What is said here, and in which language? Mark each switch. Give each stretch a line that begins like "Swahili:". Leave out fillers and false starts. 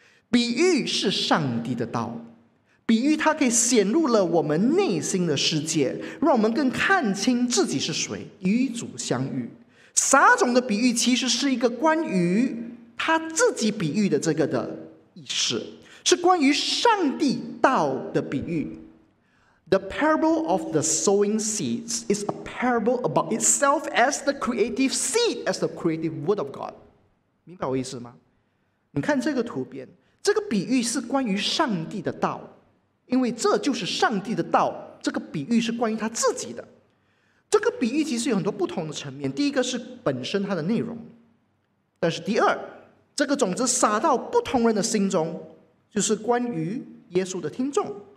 Chinese: 比喻是上帝的道，比喻它可以显露了我们内心的世界，让我们更看清自己是谁，与主相遇。撒种的比喻其实是一个关于他自己比喻的这个的意思，是关于上帝道的比喻。
English: The parable of the sowing seeds is a parable about itself as the creative seed, as the creative word of God.
Chinese: 明白我意思吗？你看这个图片，这个比喻是关于上帝的道，因为这就是上帝的道，这个比喻是关于他自己的。这个比喻其实有很多不同的层面，第一个是本身它的内容，但是第二，这个种子撒到不同人的心中，就是关于耶稣的听众。